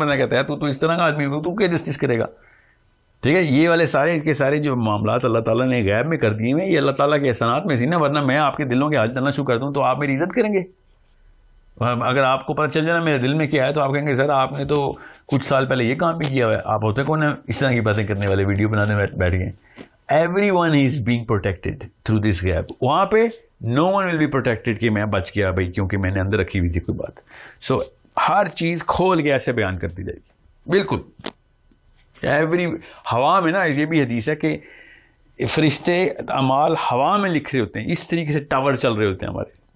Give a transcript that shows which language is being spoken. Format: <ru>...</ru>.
<hi>बंदा कहता है तू इस तरह का आदमी, तू क्या जस्टिस करेगा, ठीक है. ये वाले सारे के सारे जो मामला अल्लाह ताला ने गैब में कर दिए हैं ये अल्लाह ताला के एहसानात में सी ना, वरना मैं आपके दिलों के हाल चलना शुरू कर दूँ तो आप मेरी इज्जत करेंगे. अगर आपको पता चल जाए मेरे दिल में क्या है तो आप कहेंगे सर आपने तो कुछ साल पहले ये काम भी किया हुआ है, आप होते कौन है इस तरह की बातें करने वाले, वीडियो बनाने बैठ गए.</hi> <en>Everyone is being protected through this gap.</en> <hi>वहां पे</hi> <en>no one will be protected</en> <hi>कि मैं बच गया भाई क्योंकि मैंने अंदर रखी हुई थी कोई बात. So हर चीज खोल के ऐसे बयान कर दी जाएगी. बिल्कुल एवरी हवा में ना, ये भी हदीस है कि फरिश्ते अमाल हवा में लिख रहे होते हैं, इस तरीके से टावर चल रहे होते हैं हमारे.</hi>